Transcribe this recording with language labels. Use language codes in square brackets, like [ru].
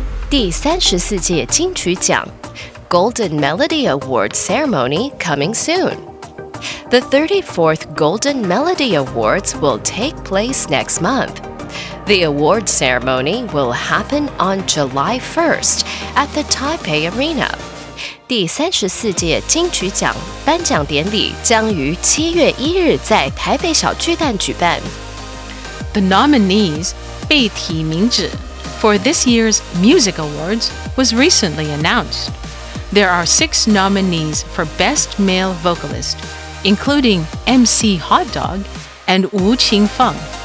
[zh] 第三十四届金曲奖 [en] Golden Melody Award Ceremony coming soon. The 34th Golden Melody Awards will take place next month. The award ceremony will happen on July 1st at the Taipei Arena. [zh] 第34届金曲奖颁奖典礼将于7月1日在台北小巨蛋举办。 [en] The nominees, 被提名者, for this year's Music Awards was recently announced. There are 6 nominees for Best Male Vocalist, including MC Hot Dog and Wu Qingfeng.